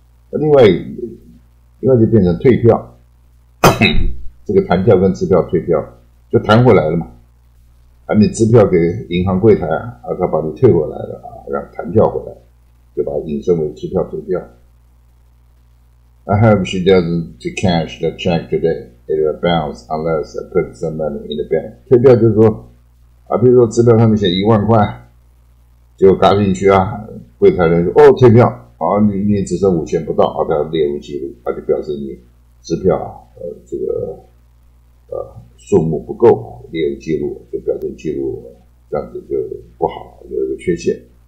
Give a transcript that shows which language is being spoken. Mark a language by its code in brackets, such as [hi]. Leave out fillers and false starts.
[zh] 另外就变成退票。这个弹跳跟支票退票就弹回来了嘛，还没支票给银行柜台啊，他把你退回来了啊，让弹跳回来，就把引申为支票退票。 [en] I hope she doesn't to cash the check today. It will bounce unless I put some money in the bank. [zh] 退票就是说啊，比如说支票上面写10000块，结果嘎进去啊，柜台人说哦退票啊，你只剩5000不到啊，他列入记录啊，就表示你支票啊。数目不够，列入记录，就表现记录这样子就不好，有一个缺陷。